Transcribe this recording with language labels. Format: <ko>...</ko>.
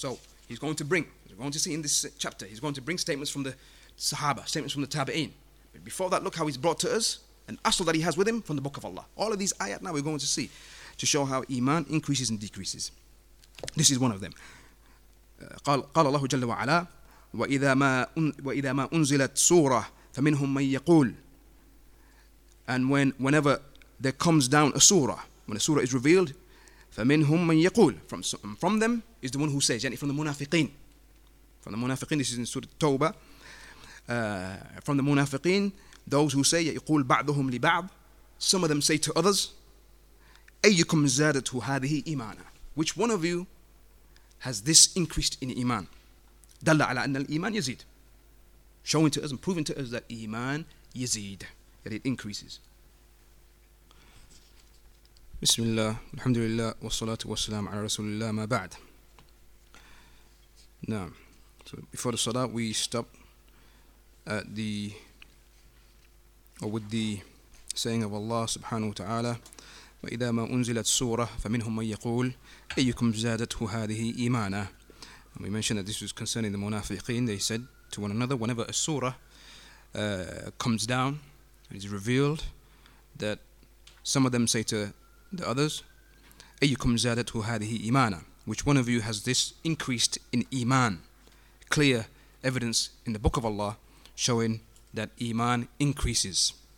<en>So he's going to bring, as we're going to see in this chapter, he's going to bring statements from the Sahaba, statements from the Tabi'in. But before that, look how he's brought to us an asl that he has with him from the Book of Allah. All of these ayat now we're going to see to show how iman increases and decreases. This is one of them.</en> <ar>قال الله جل وعلا وإذا ما أنزلت سورة فمنهم من يقول.</ar> <en>And whenever there comes down a surah, when a surah is revealed,</en> <ar>فمنهم من يقول,</ar> <en>from them is the one who says, يعني from the منافقين. From the منافقين, this is in Surah Tawbah. From the منافقين, those who say,</en> <ar>يقول بعضهم لبعض,</ar> <en>some of them say to others,</en> <ar>أيكم زادته هذه إيمانا.</ar> <en>Which one of you has this increased in iman?</en> <ar>دل على أن الإيمان يزيد.</ar> <en>Showing to us and proving to us that iman يزيد, that it increases.</en> <ar>بسم الله والحمد لله والصلاة والسلام على رسول الله ما بعد. نعم.</ar> <en>So before the salah, we stop at the or with the saying of Allah subhanahu wa ta'ala.</en> <ar>وإذا ما أنزلت سورة فمنهم من يقول أيكم زادته هذه إيمانا.</ar> <en>And we mentioned that this was concerning the munafiqeen. They said to one another, whenever a surah comes down, it is revealed, that some of them say to the others,</en> <ar>أيكم زادته هذه إيمانا.</ar> <en>Which one of you has this increased in iman? Clear evidence in the Book of Allah showing that iman increases.</en>